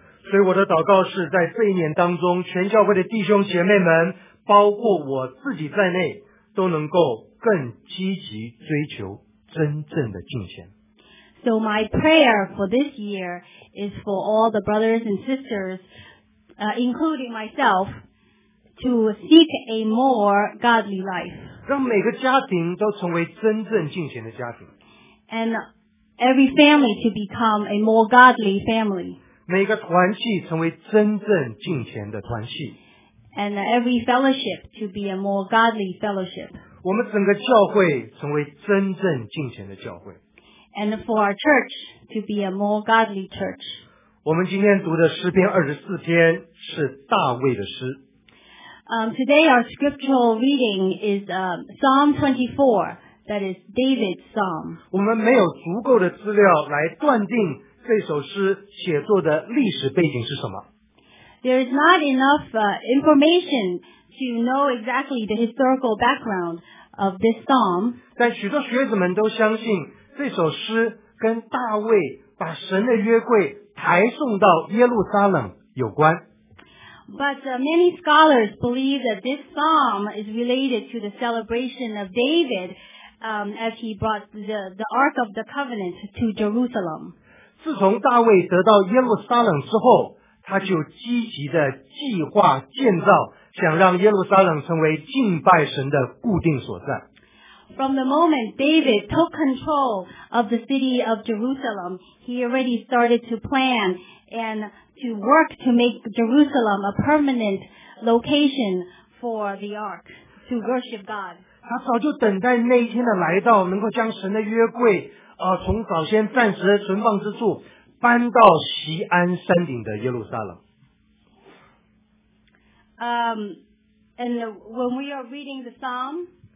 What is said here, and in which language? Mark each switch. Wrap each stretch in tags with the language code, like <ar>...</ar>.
<zh>所以我的祷告是在这一年当中，全教会的弟兄姐妹们，包括我自己在内，都能够更积极追求真正的敬虔。</zh> <en>So my prayer for this year is for all the brothers and sisters, including myself, to seek a more godly life.</en> <zh>让每个家庭都成为真正敬虔的家庭。</zh> <en>And every family to become a more godly family.</en> <zh>每个团契成为真正敬虔的团契。</zh> <en>And every fellowship to be a more godly fellowship.</en> <zh>我们整个教会成为真正敬虔的教会。</zh> <en>And for our church to be a more godly church.</en> <zh>我们今天读的诗篇24篇是大卫的诗。</zh> <en>Today our scriptural reading is Psalm 24, that is David's Psalm.</en> <zh>我们没有足够的资料来断定这首诗写作的历史背景是什么。</zh> <en>There is not enough information to know exactly the historical background of this psalm.</en> <zh>但许多学者们都相信这首诗跟大卫把神的约柜抬送到耶路撒冷有关。</zh> <en>But many scholars believe that this psalm is related to the celebration of David as he brought the Ark of the Covenant to Jerusalem.</en> <zh>自从大卫得到耶路撒冷之后，他就积极的计划建造，想让耶路撒冷成为敬拜神的固定所在。</zh> <en>From the moment David took control of the city of Jerusalem, he already started to plan and to work to make Jerusalem a permanent location for the ark to worship God.</en> <zh>他早就等待那一天的来到，能够将神的约柜从早先暂时的存放之处搬到锡安山顶的耶路撒冷。</zh> <en>And when we are reading the psalm,</en>